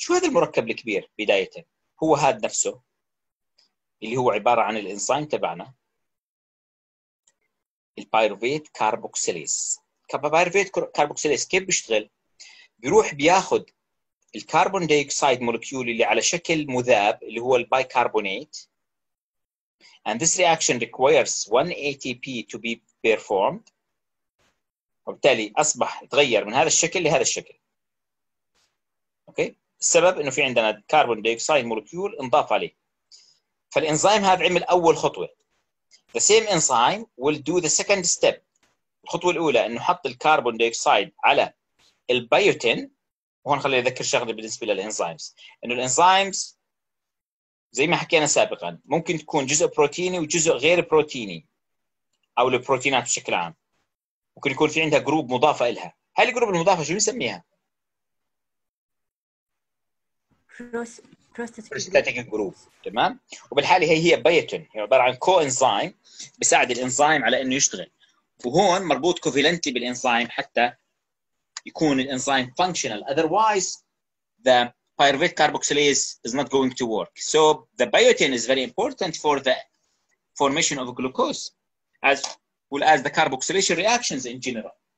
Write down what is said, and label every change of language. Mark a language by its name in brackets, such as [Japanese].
[Arabic] شو هذا المركب الكبير بداية؟ هو هذا نفسه اللي هو عبارة عن الإنزيم تبعنا البايروفيت كاربوكسيليز. كبايروفيت كاربوكسيليز كيف بيشتغل؟ بيروح بياخد الكربون ديوكسيد مولكيول اللي على شكل مذاب اللي هو البايكربونات. [English] And this reaction requires one ATP to be performed. [Arabic] وبالتالي أصبح تغير من هذا الشكل لهذا الشكل. أوكي؟ السبب إنه في عندنا كربون ديوكسيد مولكيول انضاف عليه. فالإنزيم هذا عمل أول خطوة. [English] The same enzyme will do the second step. [Arabic] الخطوة الأولى إنه حط الكربون ديوكسيد على البيوتين. وهون خلينا نذكر شغلة بالنسبة للإنزيمز. إنه الإنزيمز زي ما حكينا سابقا ممكن تكون جزء بروتيني وجزء غير بروتيني او البروتينات بشكل عام. ممكن يكون في عندها جروب مضافه لها. هاي الجروب المضافه شو نسميها؟ [English] prosthetic [Arabic] جروب. تمام. وبالحاله هي بايتون، هي عباره عن كو انزيم بيساعد الانزيم على انه يشتغل، وهون مربوط كوفيلنتلي بالانزيم حتى يكون الانزيم فانكشنال. [English] Otherwise the pyruvate carboxylase is not going to work. So the biotin is very important for the formation of glucose, as well as the carboxylation reactions in general.